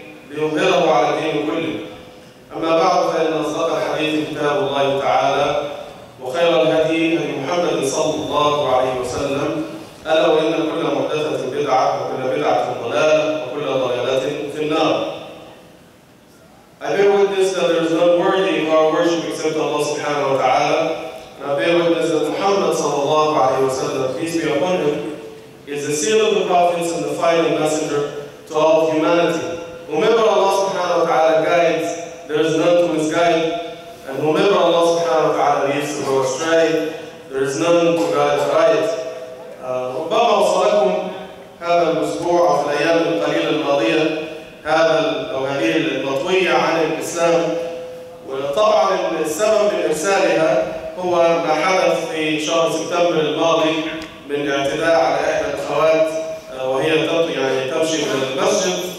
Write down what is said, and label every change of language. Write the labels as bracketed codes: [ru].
[ar] ليظهره على الدين كله اما بعد فان اصدق الحديث كتاب الله تعالى وخير الهدي هدي محمد صلى الله عليه وسلم الا وان كل محدثه بدعه وكل بدعه ضلاله وكل ضلاله في النار. [en] I bear witness that there is none worthy of our worship except Allah subhanahu wa ta'ala. And I bear witness that Muhammad [ar] صلى الله عليه وسلم, [en] peace be upon him, is the seal of the prophets and the final messenger to all of humanity. Whomever Allah subhanahu wa ta'ala guides, there is none to misguide. And whomever Allah subhanahu wa ta'ala leads to go astray, there is none to guide right. [ar] ربما وصلكم هذا الأسبوع في الأيام القليلة الماضية هذا أو هذه المطوية عن الإسلام. وطبعا السبب لإرسالها هو ما حدث في شهر سبتمبر الماضي من اعتداء على إحدى الأخوات وهي تطوي يعني تمشي من المسجد.